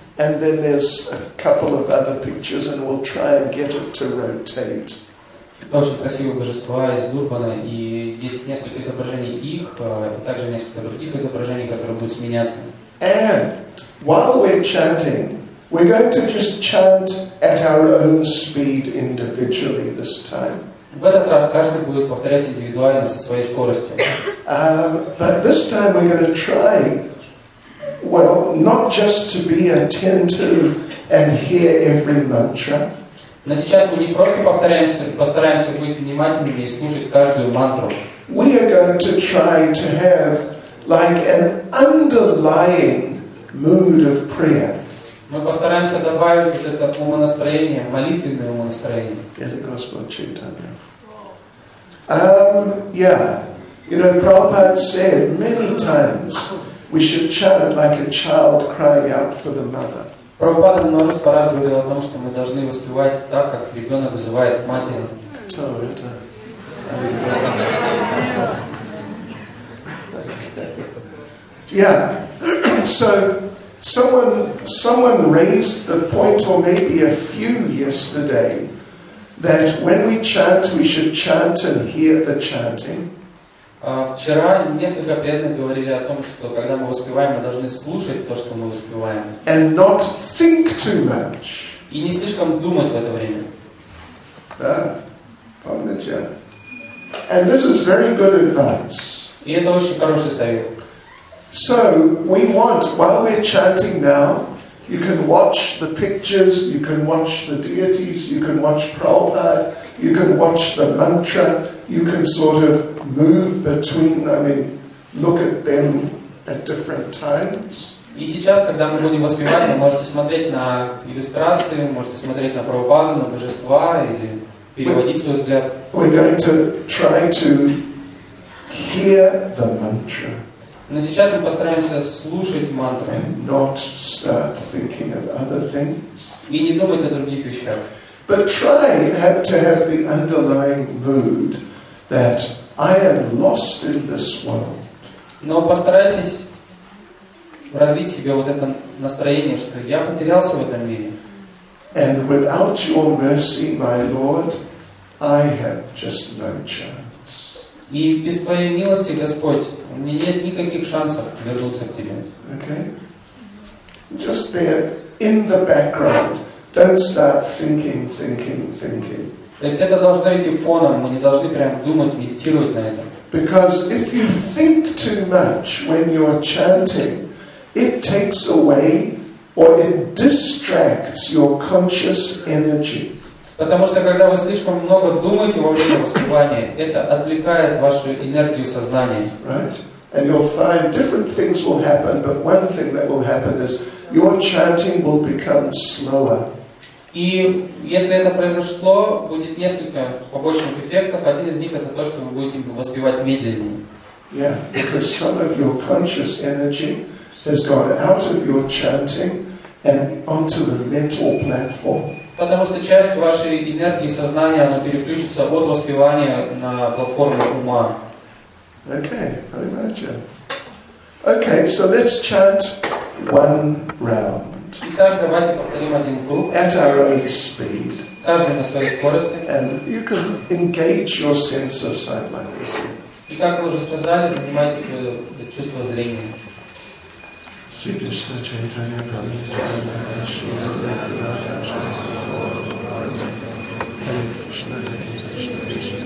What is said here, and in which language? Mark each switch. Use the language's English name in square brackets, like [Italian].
[English] And then there's a couple of other pictures, and we'll try and get it to rotate. [Russian] Тоже красивые божества из Дурбана, и есть несколько изображений их, также несколько других изображений, которые будут меняться. [English] And while we're chanting, we're going to just chant at our own speed individually this time. [Russian] В этот раз каждый будет повторять индивидуально со своей скоростью. [English] But this time we're going to try. Well, not just to be attentive and hear every mantra. [Russian] Но сейчас мы не просто постараемся быть внимательными и слушать каждую мантру. [English] We are going to try to have like an underlying mood of prayer. [Russian] Мы постараемся добавить вот это умонастроение, молитвенное умонастроение. Yes, Господь Чайтанья. Yeah. [English] You know, Prabhupada said many times. We should chant like a child crying out for the mother. [Russian] Прабхупада множество раз говорил о том, что мы должны воспевать так, как ребенок взывает к матери. Кто это? [English] Yeah. So someone raised the point, or maybe a few yesterday, that when we chant, we should chant and hear the chanting. [Russian] Вчера несколько преданных говорили о том, что когда мы воспеваем, мы должны слушать то, что мы воспеваем. [English] And not think too much. [Russian] И не слишком думать в это время. Да, помните? [English] And this is very good advice. [Russian] И это очень хороший совет. [English] So, we want, while we're chanting now, you can watch the pictures, you can watch the deities, you can watch Prabhupada, you can watch the mantra, you can sort of move between, I mean, look at them at different times. [Russian] И сейчас, когда мы будем воспевать, вы можете смотреть на иллюстрации, можете смотреть на Прабхупаду, на божества, или переводить свой взгляд. [English] We're going to try to hear the mantra. [Russian] Но сейчас мы постараемся слушать мантру. [English] And not start thinking of other things. [Russian] И не думать о других вещах. [English] But try to have the underlying mood that I am lost in this world. [Russian] Но постарайтесь развить в себе вот это настроение, что я потерялся в этом мире. [English] And without your mercy, my Lord, I have just no chance. [Russian] И без твоей милости, Господь, у меня нет никаких шансов вернуться к тебе. [English] Okay. Just there in the background. Don't start thinking. [Russian] То есть это должно идти фоном, мы не должны прям думать, медитировать на этом. [English] Because if you think too much when you're chanting, it takes away or it distracts your conscious energy. [Russian] Потому что когда вы слишком много думаете во время воспевания, это отвлекает вашу энергию сознания. [English] Right? And you'll find different things will happen, but one thing that will happen is your chanting will become slower. [Russian] И если это произошло, будет несколько побочных эффектов. Один из них это то, что вы будете воспевать медленнее. [English] Yeah, because some of your conscious energy has gone out of your chanting and onto the mental platform. [Russian] Потому что часть вашей энергии сознания она переключится от воспевания на платформу ума. [English] Okay, I imagine. Okay, so let's chant one round. [Russian] Итак, давайте повторим один круг. [English] At our own speed. [Russian] Каждый на своей скорости. [English] And you can engage your sense of sight, like we said. [Russian] И как вы уже сказали, занимайте свое чувство зрения. [English] Sridhara Chaitanya Prabhu is the Lord, Shiva Devaya, Shri Krishna,